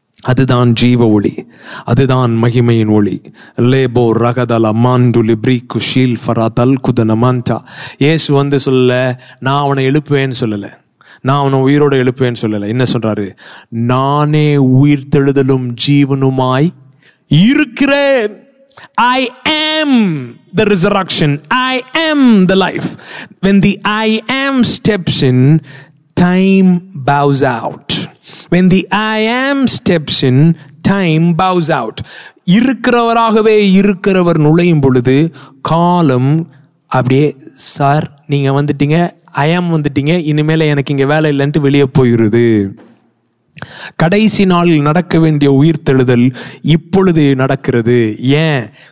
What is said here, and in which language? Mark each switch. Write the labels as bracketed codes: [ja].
[ta] அதுதான் ஜீவ ஒளி, அதுதான் மகிமையின் ஒளி. லேபோ ரகதல மாண்டு லிப்ரிக்கு ஷீல் ஃபரா தல் குதன மாண்டா. இயேசு வந்து சொல்லலை நான் அவனை எழுப்புவேன்னு சொல்லலை, நான் அவனை உயிரோடு எழுப்புவேன்னு சொல்லலை. என்ன சொல்கிறாரு? நானே உயிர் தெழுதலும் ஜீவனுமாய் இருக்கிறேன். [en] I am the resurrection. I am the life. When the I am steps in, time bows out. When the I am steps in, time bows out. [ta] இருக்கிறவராகவே இருக்கிறவர் நுழையும் பொழுது காலம் அப்படியே, சார் நீங்க வந்துட்டீங்க, I am வந்துட்டீங்க, இனிமேல எனக்கு இங்க வேலை இல்லைன்ட்டு வெளியே போயிருது. கடைசி நாளில் நடக்க வேண்டிய உயிர்த்தெழுதல் இப்பொழுது நடக்கிறது. ஏன்?